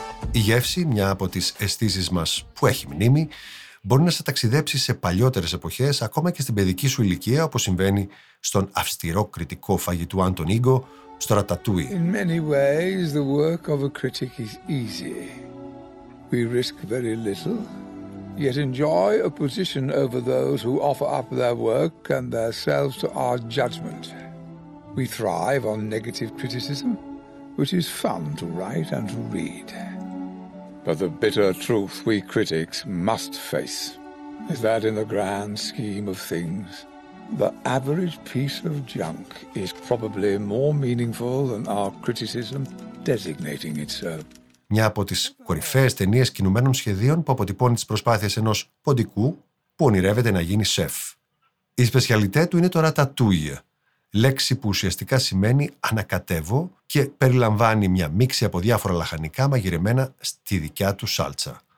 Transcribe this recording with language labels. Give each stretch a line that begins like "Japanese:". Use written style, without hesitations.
Greek: Η γεύση, μια από τις αισθήσεις μας που έχει μνήμη, μπορεί να σε ταξιδέψει σε παλιότερες εποχές, ακόμα και στην παιδική σου ηλικία, όπως συμβαίνει στον αυστηρό κριτικό φαγητού Άντων Ίγκο, στο Ρατατούι.
English: In many ways, the work of a critic is easy. We risk very little, yet enjoy a position over those who offer up their work and themselves to our judgment. We thrive on negative criticism, which is fun to write and to read. But the bitter truth we critics must face is that in the grand scheme of things, the average piece of junk is probably more meaningful than our criticism designating it so.
Greek: Μια από τις κορυφαίες ταινίες κινουμένων σχεδίων που αποτυπώνει τις προσπάθειες ενός ποντικού που ονειρεύεται να γίνει σεφ. Η σπεσιαλιτέ του είναι το ρατατούι, λέξη που ουσιαστικά σημαίνει ανακατεύω και περιλαμβάνει μια μίξη από διάφορα λαχανικά μαγειρεμένα στη δικιά του σάλτσα.